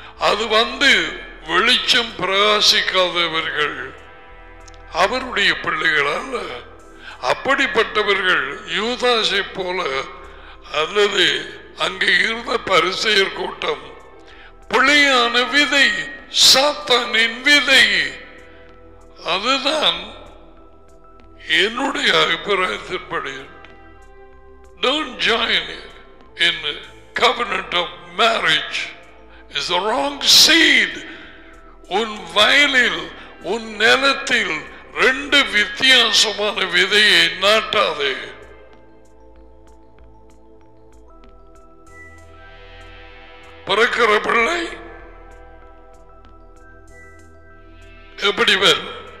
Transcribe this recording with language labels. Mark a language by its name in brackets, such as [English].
[Tamil] அது வந்து வெளிச்சம் பிரகாசிக்காதவர்கள் அவருடைய பிள்ளைகளால் அப்படிப்பட்டவர்கள் யூதாசை போல அல்லது அங்கே இருந்த பரிசேயர் கூட்டம் பிழையான விதை, சாத்தானின் விதை. அதுதான் என்னுடைய அபிப்பிராயத்தின்படி [English] Don't join in covenant of marriage is the wrong seed. [Tamil] உன் வயலில் உன் நிலத்தில் ரெண்டு வித்தியாசமான விதையை நாட்டாதே. பிறக்கிற பிள்ளை எப்படி வரும்?